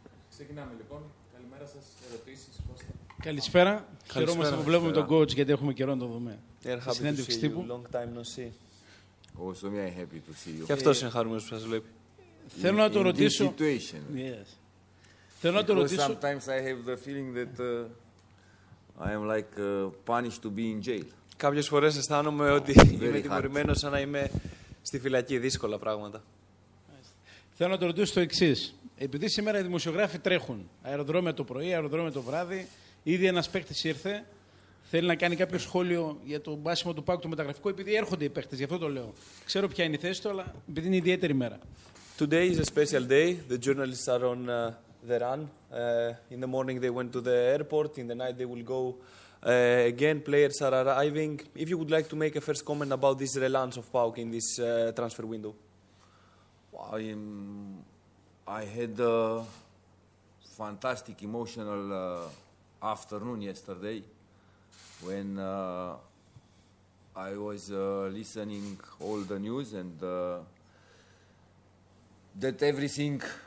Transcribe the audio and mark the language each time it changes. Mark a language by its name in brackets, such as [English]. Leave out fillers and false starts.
[Greek] Ξεκινάμε λοιπόν. Καλημέρα σας, ερωτήσεις, Κώστα. Καλησπέρα. Χαιρόμαστε που βλέπουμε τον coach, γιατί έχουμε καιρό να το δούμε. Συνέντευξη τύπου. [English] Long time no see. Also, I'm happy to see you. [Greek] Και αυτός είναι χαρούμενος που σας βλέπει. Θέλω να το ρωτήσω. Yes. Θέλω να το ρωτήσω. [English] Sometimes I have the feeling that I am like punished to be in jail. [Greek] Κάποιες φορές αισθάνομαι ότι είμαι τιμωρημένος σαν να είμαι στη φυλακή, δύσκολα πράγματα. Θέλω να το ρωτήσω το εξής. Επειδή σήμερα οι δημοσιογράφοι τρέχουν αεροδρόμια το πρωί, αεροδρόμια το βράδυ, ήδη ένας παίκτης ήρθε, θέλει να κάνει κάποιο σχόλιο για το μπάσιμο του ΠΑΟΚ, το μεταγραφικό, επειδή έρχονται οι παίκτες, γι' αυτό το λέω. Ξέρω ποια είναι η θέση του, αλλά επειδή είναι ιδιαίτερη ημέρα. [English] Today is a special day. The journalists are on the run. In the morning they went to the airport, in the night they will go. Again, players are arriving. If you would like to make a first comment about this relance of PAOK in this transfer window. Well, I had a fantastic emotional afternoon yesterday when I was listening all the news and that everything